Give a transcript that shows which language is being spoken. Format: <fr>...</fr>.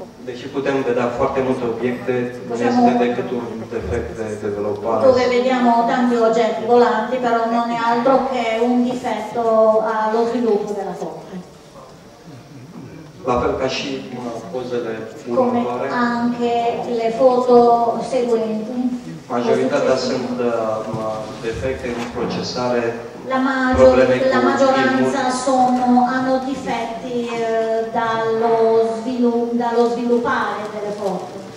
<ro>Deci putem vedea foarte multe obiecte, nu este decât un defect de dezvoltare.</ro> <it>Dove vediamo tanti oggetti volanti, però non è altro che un difetto allo sviluppo della foto.</it> <ro>La fel ca și pozele următoare.</ro> <it>Come anche le foto seguenti.</it> <ro>Majoritatea sunt defecte în procesare,</ro> <it>hanno difetti dallo sviluppare delle foto.</it>